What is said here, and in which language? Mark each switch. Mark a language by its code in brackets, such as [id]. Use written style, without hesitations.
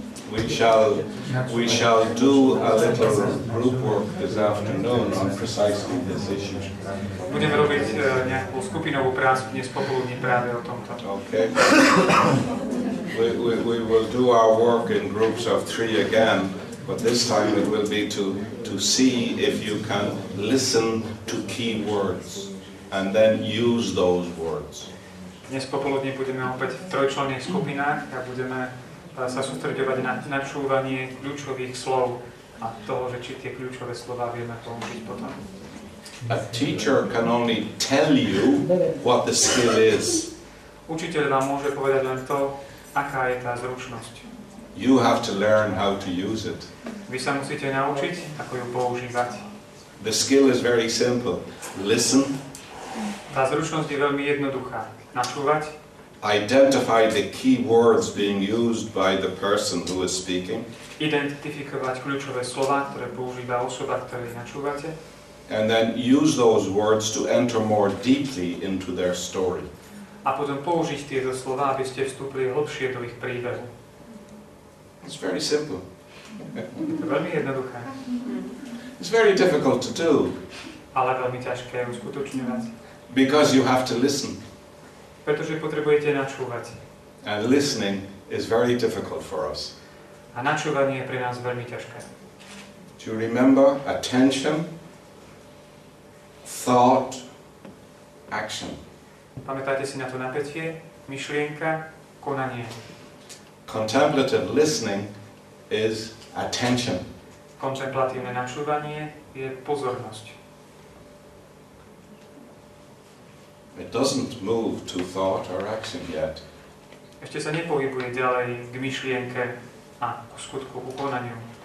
[en] We shall do a little group work this afternoon on precisely this issue. [sk] Budeme robiť nejakú skupinovú prácu dnes popoludní práve o tomto. [en] Okay. We will do our work in groups of three again, but this time it will be to see if you can listen to key words and then use those words. [sk] Dnes popoludní budeme opäť v trojčlenných skupinách a budeme sa sústredovať na načúvanie kľúčových slov a toho, že či tie kľúčové slova vieme použiť potom. [en] A teacher can only tell you what the skill is. [sk] Učiteľ vám môže povedať len to, aká je tá zručnosť. [en] You have to learn how to use it. [sk] Vy sa musíte naučiť, ako ju používať. [en] The skill is very simple. Listen. [sk] Tá zručnosť je veľmi jednoduchá. Načúvať. [en] Identify the key words being used by the person who is speaking. [sk] Identifikovať kľúčové slová, ktoré používa osoba, ktorej načúvate. [en] And then use those words to enter more deeply into their story. [sk] A potom použiť tieto slová, aby ste vstúpili hlbšie do ich príbehu. [en] It's very simple. [sk] To je veľmi jednoduché. [en] It's very difficult to do. [sk] Ale veľmi ťažké uskutočňovať. [en] Because you have to listen. [sk] Pretože potrebujete načúvať. [en] And listening is very difficult for us. [sk] A načúvanie je pre nás veľmi ťažké. [en] Do you remember attention, thought, action? [sk] Pamätáte si na to napätie, myšlienka, konanie? [en] Contemplative listening is attention. [sk] Kontemplatívne načúvanie je pozornosť. [en] It doesn't move to thought or action yet. [sk] Ešte sa nepohybuje ďalej k myšlienke a k skutku, k konaniu.